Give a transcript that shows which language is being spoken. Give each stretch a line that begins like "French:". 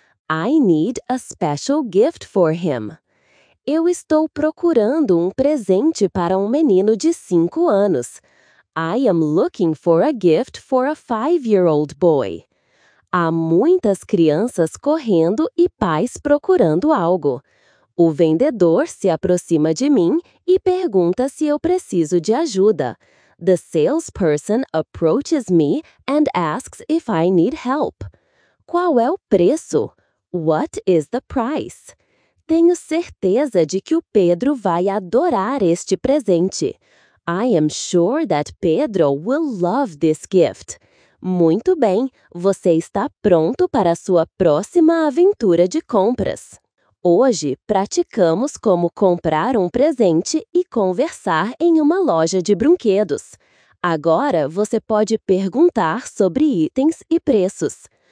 English: I need a special gift for him.
Portuguese: Eu estou procurando um presente para um menino de 5 anos.
English: I am looking for a gift for a 5-year-old boy.
Portuguese: Há muitas crianças correndo e pais procurando algo. O vendedor se aproxima de mim e pergunta se eu preciso de ajuda.
English: The salesperson approaches me and asks if I need help.
Portuguese: Qual é o preço?
English: What is the price?
Portuguese: Tenho certeza de que o Pedro vai adorar este presente.
English: I am sure that Pedro will love this gift.
Portuguese: Muito bem, você está pronto para a sua próxima aventura de compras. Hoje, praticamos como comprar um presente e conversar em uma loja de brinquedos. Agora, você pode perguntar sobre itens e preços.